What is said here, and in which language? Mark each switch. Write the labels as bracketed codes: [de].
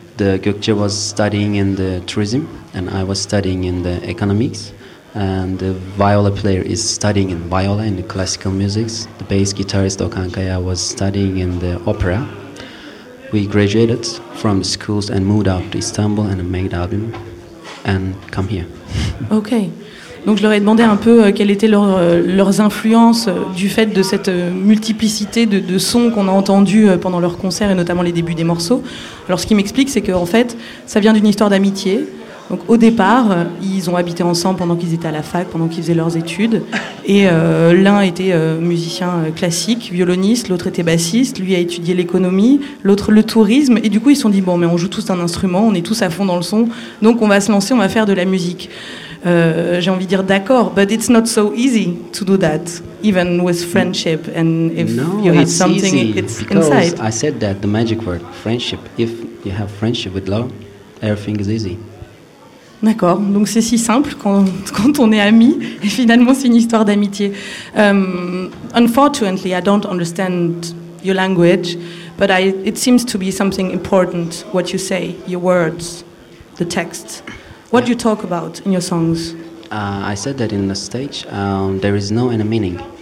[en] The Gökçe was studying in the tourism, and I was studying in the economics. And the viola player is studying in viola in the classical music. The bass guitarist Okan Kaya was studying in the opera. We graduated from schools and moved out to Istanbul and made album and come here. Okay. [fr] Donc je leur ai demandé un peu quelles étaient leurs influences du fait de cette multiplicité de sons qu'on a entendus pendant leurs concerts et notamment les débuts des morceaux. Alors ce qui m'explique, c'est qu'en fait, ça vient d'une histoire d'amitié. Donc au départ, ils ont habité ensemble pendant qu'ils étaient à la fac, pendant qu'ils faisaient leurs études. Et l'un était musicien classique, violoniste, l'autre était bassiste, lui a étudié l'économie, l'autre le tourisme. Et du coup, ils se sont dit, bon, mais on joue tous un instrument, on est tous à fond dans le son, donc on va se lancer, on va faire de la musique. J'ai envie de dire d'accord, [en] but it's not so easy to do that, even with friendship. And if no, you have something, easy, it's because inside. I said that the magic word, friendship. If you have friendship with love, everything is easy. [fr] D'accord, donc c'est si simple quand on est amis, et finalement c'est une histoire d'amitié. [en] Unfortunately, I don't understand your language, but it seems to be something important, what you say, your words, the text. What do you talk about in your songs? I said that in the stage, there is no any meaning.